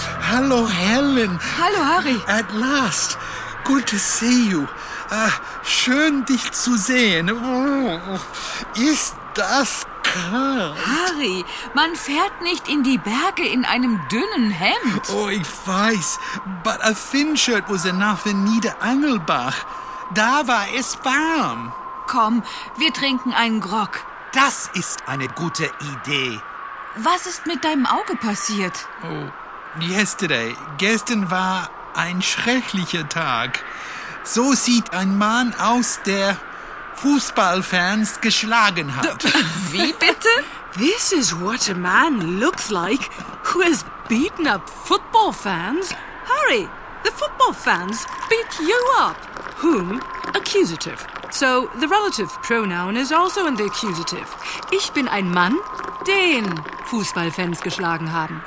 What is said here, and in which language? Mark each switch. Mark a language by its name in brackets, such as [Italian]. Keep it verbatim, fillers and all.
[English] Hello, Helen. [German] Hallo, Harry. [English] At last. Good to see you. Uh, [German] schön, dich zu sehen. Ist das kann. Harry, man fährt nicht in die Berge in einem dünnen Hemd. Oh, ich weiß. [English] But a thin shirt was enough in Niederangelbach. [German] Da war es warm. Komm, wir trinken einen Grog. Das ist eine gute Idee. Was ist mit deinem Auge passiert? [English] Oh, yesterday. [German] Gestern war ein schrecklicher Tag. So sieht ein Mann aus, der Fußballfans geschlagen hat. Wie bitte? [English] This is what a man looks like who has beaten up football fans. Harry, the football fans beat you up. Whom? Accusative. So the relative pronoun is also in the accusative. [German] Ich bin ein Mann, den Fußballfans geschlagen haben.